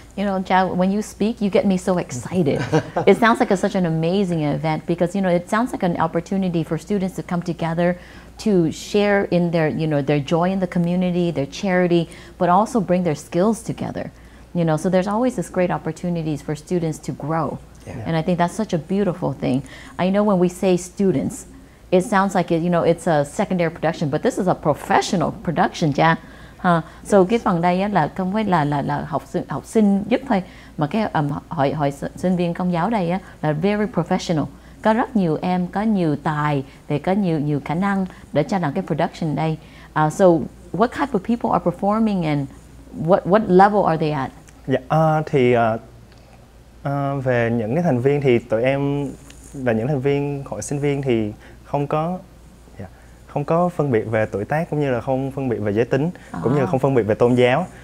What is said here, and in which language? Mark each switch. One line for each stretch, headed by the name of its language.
English: You know, Jia, when you speak, you get me so excited. It sounds like such an amazing event because, you know, it sounds like an opportunity for students to come together to share in their, you know, their joy in the community, their charity, but also bring their skills together. You know, so there's always this great opportunities for students to grow. Yeah. And I think that's such a beautiful thing. I know when we say students, it sounds like it, you know, it's a secondary production, but this is a professional production, yeah. Huh?
Vietnamese: So cái phần đây là không phải là học sinh giúp thôi, mà cái hội sinh viên công giáo đây là
English: very professional.
Vietnamese: Có rất nhiều em, có nhiều tài, để có nhiều khả năng để cho làm cái production đây.
English: So what type of people are performing and what level are they at?
Vietnamese: Yeah, về những cái thành viên thì tụi em là những thành viên hội sinh viên thì không có phân biệt về tuổi tác cũng như là không phân biệt về giới tính cũng như là không phân biệt về tôn giáo.